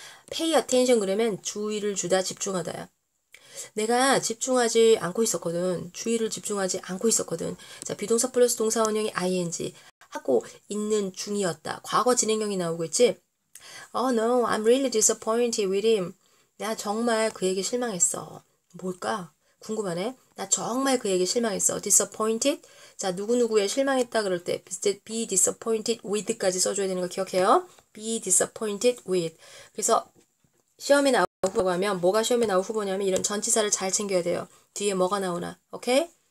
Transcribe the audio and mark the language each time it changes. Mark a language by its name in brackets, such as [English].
[English] Pay attention [Korean] 그러면 주의를 주다, 집중하다야. 내가 집중하지 않고 있었거든. 주의를 집중하지 않고 있었거든. 자, 비동사 플러스 동사원형이 ing. 하고 있는 중이었다. 과거 진행형이 나오고 있지? [English] Oh no, I'm really disappointed with him. [Korean] 나 정말 그에게 실망했어. 뭘까? 궁금하네. 나 정말 그에게 실망했어. [English] Disappointed. [Korean] 자, 누구누구에 실망했다 그럴 때 be disappointed with까지 써줘야 되는 거 기억해요. [English] Be disappointed with. [Korean] 그래서 시험에 나오고 하면 뭐가 시험에 나올 후보냐면 이런 전치사를 잘 챙겨야 돼요. 뒤에 뭐가 나오나. 오케이?